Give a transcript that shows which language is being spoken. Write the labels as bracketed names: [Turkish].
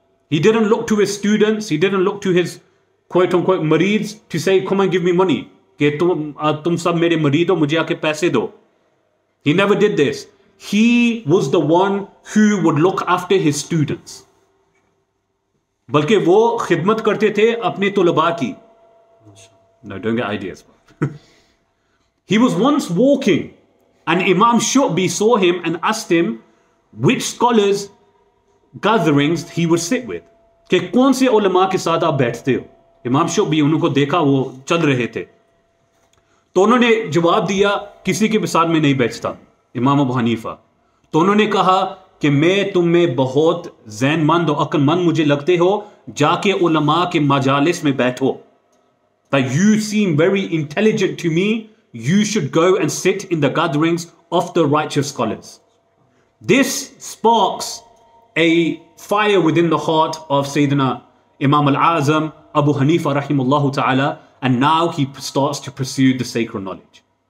[English] He didn't look to his students. He didn't look to his quote-unquote marids to say, come and give me money. [Urdu] Ke tum sab mere marid ho, mujhe aake paise do. [English] He never did this. He was the one who would look after his students. [Urdu] بلکہ وہ خدمت کرتے تھے اپنے طلباء کی. [English] No, don't get ideas. He was once walking and Imam Shu'bi saw him and asked him which scholars gatherings he would sit with. [Urdu] کہ کون سے علماء کے ساتھ آپ بیٹھتے ہو. Imam Shu'bi انہوں کو دیکھا وہ چل رہے تھے تو انہوں نے جواب دیا کسی کے ساتھ میں نہیں بیٹھتا. [English] Imam Abu Hanifa. [Urdu] تو انہوں نے کہا کہ میں تمہیں بہت ذہن مند اور عقل مند مجھے لگتے ہو, جا کے علماء کے مجالس میں بیٹھو. [English] That you seem very intelligent to me, you should go and sit in the gatherings of the righteous scholars. This sparks a fire within the heart of Sayyidina Imam Al-Azam Abu Hanifa rahimullahu ta'ala, and now he starts to pursue the sacred knowledge.